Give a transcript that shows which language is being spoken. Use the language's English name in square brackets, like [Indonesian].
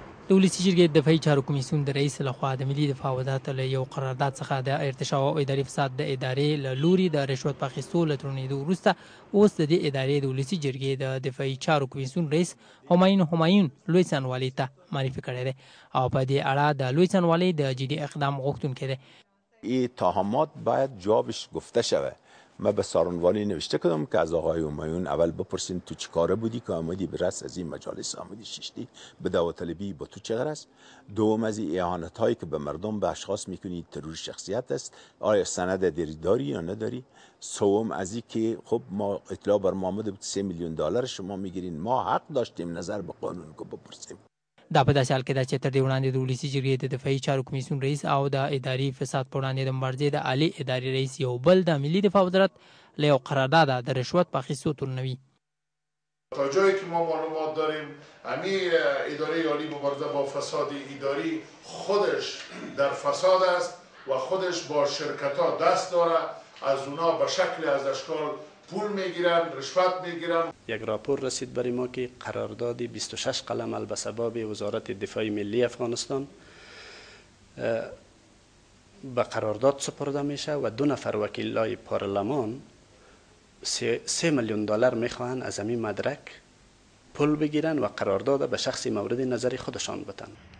[Pashto] د ولسي جرګې دفاعي چارو کمیسیون د رئیس لخوا د ملي دفاع وزارت له یو قرارداد څخه د ارتشا او اداري فساد د ادارې له لوري د رشوت په اخیستو له ترونېدو وروسته اوس د دې ادارې د ولسي جرګې د دفاعي چارو کمیسیون رئیس همایون لوی څارنوالۍ ته معرفي کړی دی، او په دې اړه د لوی څارنوالۍ د جدي اقدام غوښتونکی دی. [Persian] ای تهمات باید جوابش گفته شوه. ما به څارنوالۍ نوشته کدم که از آقای همایون اول بپرسین تو چی کاره بودی که آمدی به رس از این مجالس آمدی ششتی به داوطلبی با تو چه غرست؟ دوم از اعانت هایی که به مردم به اشخاص میکنی ترور شخصیت است آیا سند داری یا نداری؟ سوم از این که خب ما اطلاع بر ما آمده بود $3 میلیون شما میگیرین، ما حق داشتیم نظر به قانون که بپرسیم. [Pashto] دا په داسې حال کې ده چې تر دې وړاندې د ولسي جرګې د دفاعي چارو کمیسیون رئیس او د اداري فساد پر وړاندې د مبارزې د عالي ادارې رئیس یو بل د ملي دفاع وزارت له یو قرارداده د رشوت په اخیستو تورنوي. [Persian] تا جایی که ما معلومات داریم همی اداره عالی مبارزه با فساد اداری خودش در فساد است و خودش با شرکت ها دست داره، از اونا به شکل از اشکال پول میگیرن، رشوت میگیرن. یک راپور رسید برای ما که قراردادی 26 قلم البسباب وزارت دفاع ملی افغانستان به قرارداد سپرده میشه و دو نفر وکیل های پارلمان $3 میلیون میخواهند از این مدرک پول بگیرن و قرارداد به شخص مورد نظر خودشان بتن.